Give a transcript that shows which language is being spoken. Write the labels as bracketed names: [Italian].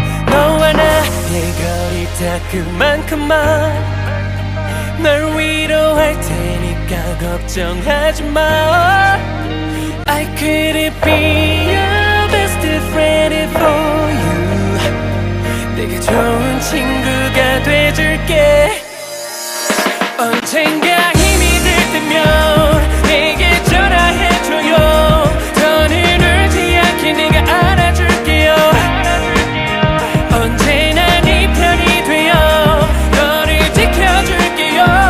[Korean] 너와 나의 거리 다 그만큼만 널 위로할 테니까 걱정하지 마. [English] I couldn't be your best friend for you. [Korean] 내게 좋은 친구가 돼줄게. 언젠가 힘이 들 때면 내게 전화해줘요. 더는 울지 않게 내가 안아줄게요. 언제나 네 편이 되어 너를 지켜줄게요.